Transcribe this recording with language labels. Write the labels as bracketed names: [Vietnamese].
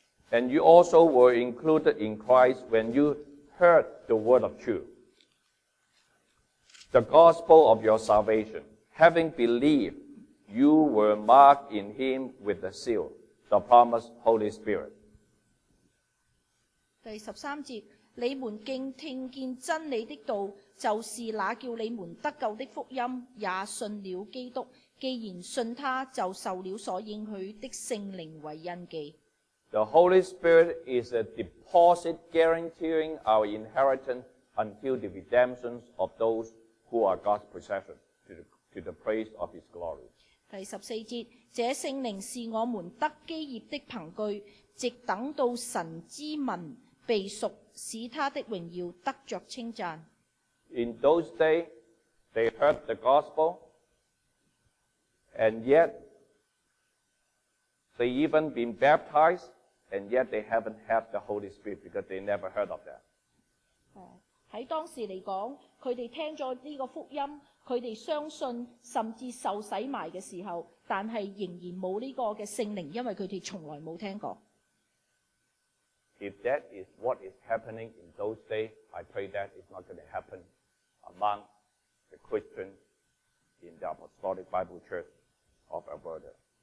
[English] And you also were included in Christ when you heard the word of truth, the gospel of your salvation. Having believed, you were marked in him with the seal, the promised Holy Spirit. [Chinese] 第13節, 你們敬聽見真理的道, 就是那叫你們得救的福音,也信了基督, 既然信他, 就受了所應許的聖靈為印記。 [English] The Holy Spirit is a deposit guaranteeing our inheritance until the redemption of those who are God's possession to the praise of His glory. [Chinese] 第14節, 這聖靈是我們得基業的憑據, 直等到神之民被贖, 使他的榮耀得著稱讚。 [English] In those days, they heard the gospel, and yet they even been baptized, and yet they haven't had the Holy Spirit because they never heard of that. [Chinese] 在當時來講,他們聽了這個福音,他們相信甚至受洗埋的時候,但是仍然沒有這個聖靈,因為他們從來沒有聽過。 [English] If that is what is happening in those days, I pray that it's not going to happen among the Christians in the Apostolic Bible Church of Alberta.